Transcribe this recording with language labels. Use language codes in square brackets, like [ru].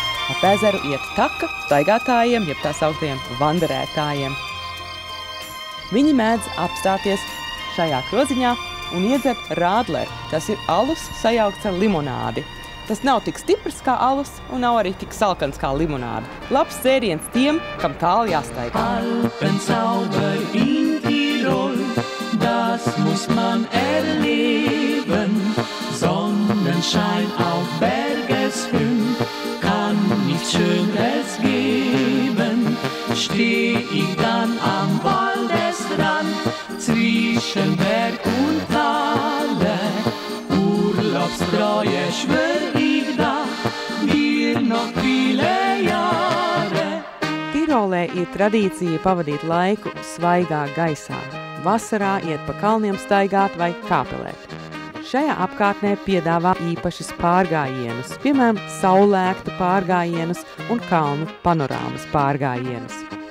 [lv] Ap ezeru iet taka staigātājiem, jeb tā sauktajiem vanderētājiem. Viņi mēdz apstāties šajā kroziņā un iedzert rādleri, tas ir alus sajaukts ar limonādi. Tas nav tik stiprs kā alus un nav arī tik salkans kā limonāde. Labs dzēriens tiem, kam tāli jāstaigā. [de] Alpen sauber in Tirol, das muss man erleben. Sonnenschein auf Bergeshöhn, kann nichts Schönes geben. Steh ich dann am Waldesrand, zwischen Berg und Tale, Urlaubsfreue schwör [lv] Tirolē ir tradīcija pavadīt laiku svaigā gaisā. Vasarā iet pa kalniem staigāt vai kāpelēt. Šajā apkārtnē piedāvā īpašas pārgājienus, piemēram, saulēktu pārgājienus un kalnu panorāmas pārgājienus.